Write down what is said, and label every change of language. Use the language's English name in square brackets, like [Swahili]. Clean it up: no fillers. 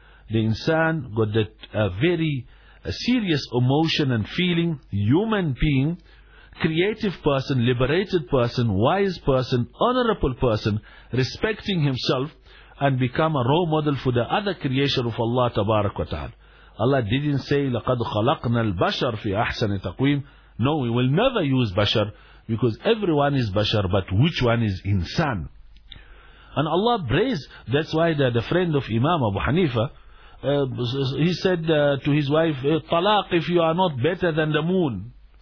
[English] The insan got that very serious emotion and feeling, human being, creative person, liberated person, wise person, honorable person, respecting himself, and become a role model for the other creation of Allah tabarak wa ta'ala. [Arabic] Allah didn't say لَقَدْ خَلَقْنَا الْبَشَرَ فِي أَحْسَنِ تَقْوِيمٍ. [English] No, we will never use Bashar, because everyone is Bashar, but which one is insan? And Allah praised, that's why the friend of Imam Abu Hanifa, he said to his wife, طَلَاق, if you are not better than the moon.